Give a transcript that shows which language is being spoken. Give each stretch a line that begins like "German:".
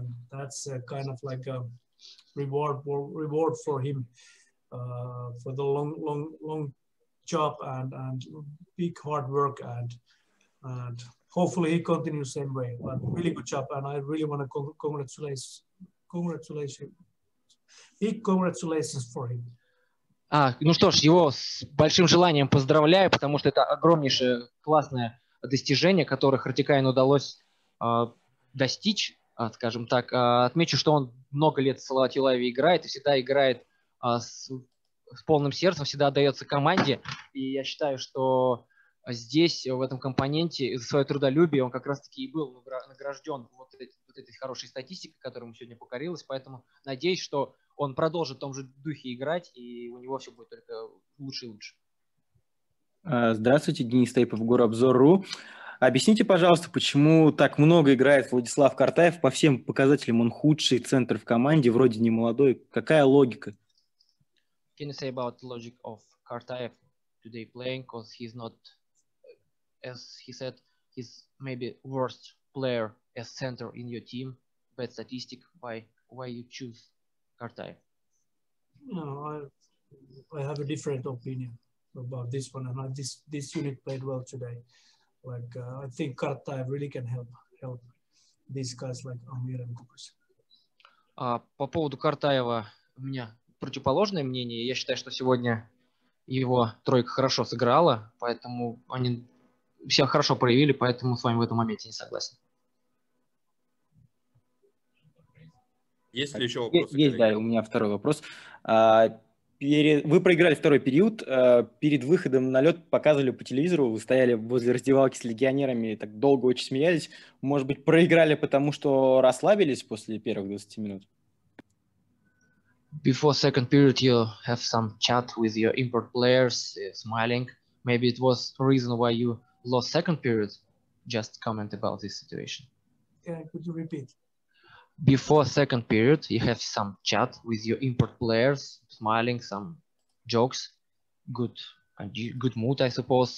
English: That's kind of like a reward for him for the long, long, long job and big hard work and hopefully he continues same way. But really good job, and I really want to congratulations for him.
Russian: Ну что ж, его с большим желанием поздравляю, потому что это огромнейшее классное достижение, которое Хартикайн удалось достичь. Скажем так, отмечу, что он много лет в Салават Юлаеве играет и всегда играет с полным сердцем, всегда отдается команде. И я считаю, что здесь, в этом компоненте, за свое трудолюбие он как раз-таки и был награжден вот этой хорошей статистикой, которая ему сегодня покорилась. Поэтому надеюсь, что он продолжит в том же духе играть, и у него все будет только лучше и лучше. Здравствуйте, Денис Тейпов, Горобзор.ру. Объясните, пожалуйста, почему так много играет Владислав Картаев? По всем показателям он худший центр в команде, вроде не молодой. Какая логика?
English: Can you say about the logic of Kartaev today playing? Because he's not, as he said, he's maybe worst player as center in your team. Bad statistic. Why you choose Kartaev? No, I have a different opinion about this one. And this unit played well today. Like I think Kartaev really can help these guys like Amir and Kukus.
Russian: По поводу Картаева у меня противоположное мнение. Я считаю, что сегодня его тройка хорошо сыграла, поэтому они все хорошо проявили, поэтому с вами в этом моменте не согласен. Есть ли еще вопросы? Есть, да, у меня второй вопрос. Вы проиграли второй период, перед выходом на лед показывали по телевизору, вы стояли возле раздевалки с легионерами и так долго очень смеялись. Может быть, проиграли, потому что расслабились после первых 20 минут?
English: Before second period you have some chat with your import players, smiling. Maybe it was reason why you lost second period. Just comment about this situation. Yeah, could you repeat? Before second period, you have some chat with your import players, smiling, some jokes, good mood, I suppose.